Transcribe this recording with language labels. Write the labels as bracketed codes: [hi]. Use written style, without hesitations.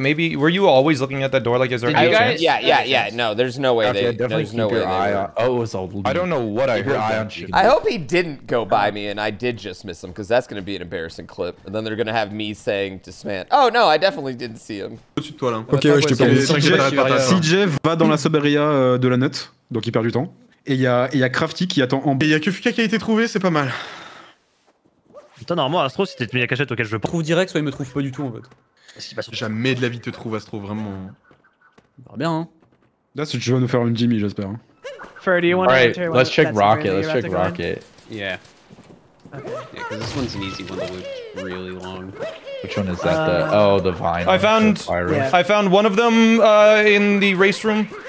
[en] Maybe, were you always looking at that door? Like, is there any chance? Yeah. No, there's no way they... Definitely there's no way they... Oh, it was old. I don't know what I heard. I hope he didn't go by me and I did just miss him, because that's going to be an embarrassing clip. And then they're going to have me saying to Smant, oh, no, I definitely didn't see him. [fr] Okay, je te permets. CJ va dans la sub-area de la note, donc il perd du temps. Et il y a Crafty qui attend en... Il y a que Fuka qui a été trouvé, c'est pas mal. Putain, normalement, Astro, si t'es mis à cachette auquel je prouve direct, soit il me trouve pas du tout, en fait. Jamais de la vie te trouve, Astro, vraiment. On verra bien, hein. Là, si tu veux nous faire une Jimmy, j'espère. [en] Fur, do you want right, to let's check Rocket, really let's check Rocket. Yeah. Okay. Yeah, because this one's an easy one to loot really long. Which one is that? Oh, the vine. I found... Yeah. I found one of them, in the race room.